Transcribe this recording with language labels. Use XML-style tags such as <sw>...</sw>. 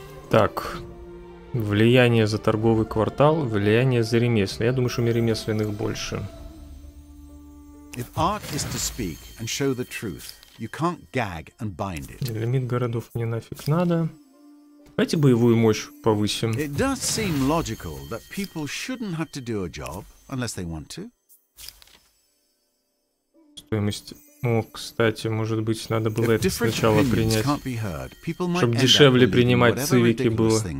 <ru>Так. Влияние за торговый квартал, влияние за ремесла. Я думаю, что у меня ремесленных больше.</ru> <en>If art is to speak and show the truth, you can't gag and bind it.</en> <ru>Лимит городов мне нафиг надо. Давайте боевую мощь повысим.</ru> <en>It does seem logical that people shouldn't have to do a job unless they want to.</en> <ru>Стоимость. О, кстати, может быть, надо было это сначала принять, чтобы дешевле принимать цивики было.</ru>